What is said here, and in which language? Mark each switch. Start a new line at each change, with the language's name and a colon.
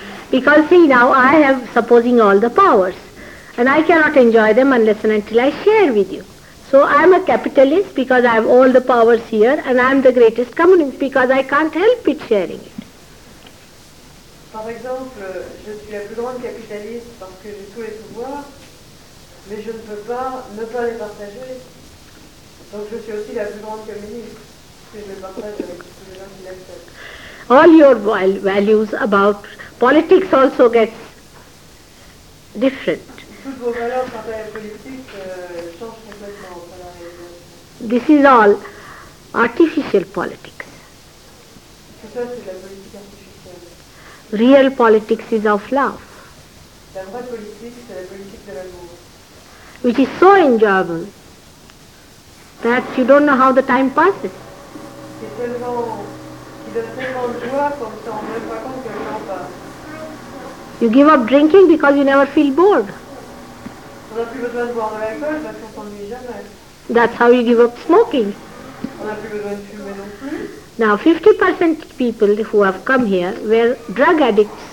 English: Because see, now I have supposing all the powers and I cannot enjoy them unless and until I share with you. So I am a capitalist because I have all the powers here, and I am the greatest communist because I can't help it sharing it.
French: Par exemple, je suis la plus grande capitaliste parce que j'ai tous les pouvoirs, mais je ne peux pas ne pas les partager. Donc je suis aussi la plus grande communiste, que je partage avec tous les gens qui l'acceptent.
English: All your values about politics also gets different.
French: Toutes vos valeurs par rapport à la politique changent complètement.
English: This is all artificial politics.
French: Tout ça, c'est la politique artificielle.
English: Real politics is of love,
French: la vraie politique, c'est la politique de l'amour,
English: which is so enjoyable that you don't know how the time passes.
French: C'est tellement, il donne tellement de joie comme ça, on ne voit pas compte que le temps passe.
English: You give up drinking because you never feel bored.
French: On n'a plus besoin de boire de l'alcool parce qu'on s'ennuie jamais.
English: That's how you give up smoking.
French: On n'a plus besoin de fumer non plus.
English: Now 50% people who have come here were drug addicts.